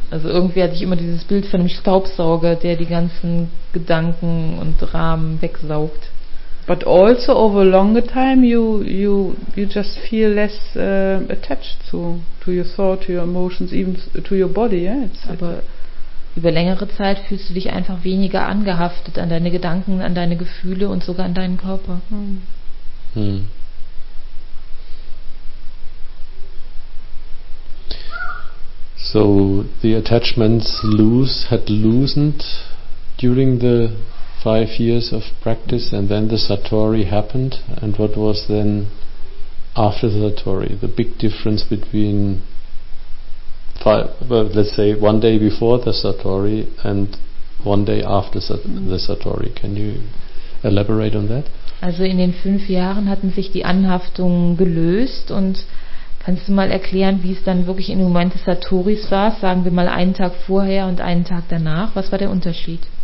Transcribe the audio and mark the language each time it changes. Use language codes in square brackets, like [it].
[de] Also irgendwie hatte ich immer dieses Bild von einem Staubsauger, der die ganzen Gedanken und Dramen wegsaugt. [en] But also over a longer time you just feel less attached to your thought, to your emotions, even to your body. Yeah? [de] Aber über längere Zeit fühlst du dich einfach weniger angehaftet an deine Gedanken, an deine Gefühle und sogar an deinen Körper. [en] So the attachments had loosened during the 5 years of practice, and then the Satori happened. And what was then after the Satori? The big difference between let's say one day before the Satori and one day after the Satori. Can you elaborate on that? [de] Also in den 5 Jahren hatten sich die Anhaftungen gelöst und kannst du mal erklären, wie es dann wirklich im Moment des Satoris war? Sagen wir mal einen Tag vorher und einen Tag danach. Was war der Unterschied?